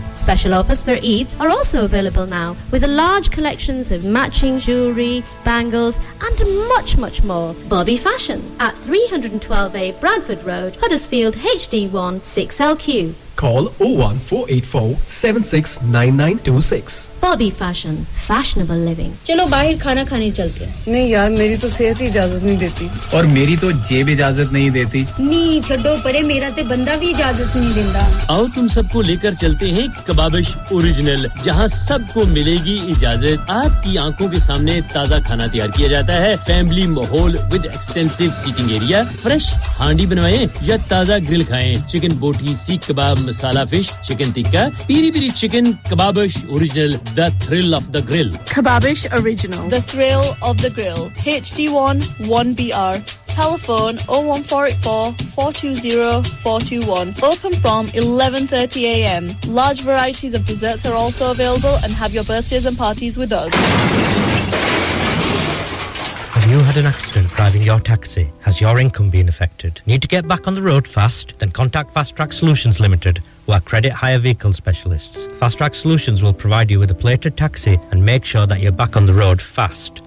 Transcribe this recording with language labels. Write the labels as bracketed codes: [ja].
[en] Special offers for Eids are also available now, with a large collections of matching jewelry, bangles, and much, much more. Bobby Fashion at 312A Bradford Road, Huddersfield, HD1 6LQ. Call 01484-769926. Bobby Fashion, fashionable living. [hi] चलो बाहर खाना खाने चलते हैं। नहीं यार मेरी तो सेहत ही इजाजत नहीं देती। और मेरी तो जेब इजाजत नहीं देती। नहीं छोड़ो परे मेरा तो बंदा भी इजाजत नहीं देता। आओ तुम सबको लेकर चलते हैं कबाबिश ओरिजिनल, जहां सबको मिलेगी इजाजत। आपकी आंखों के सामने ताजा खाना तैयार किया जाता है। फैमिली माहौल [en] With extensive seating area. [hi] Fresh हांडी बनवाएं या ताजा ग्रिल खाएं। चिकन बोटी, सीख कबाब, मसाला fish, chicken tikka, Piri Piri chicken, Kababish original, [en] The thrill of the grill. [hi] Kababish original, [en] The thrill of the grill, HD1 1BR, telephone 01484-420-421, open from 11:30 AM, large varieties of desserts are also available, and have your birthdays and parties with us. Have you had an accident driving your taxi? Has your income been affected? Need to get back on the road fast? Then contact Fast Track Solutions Limited, who are credit hire vehicle specialists. Fast Track Solutions will provide you with a plated taxi and make sure that you're back on the road fast.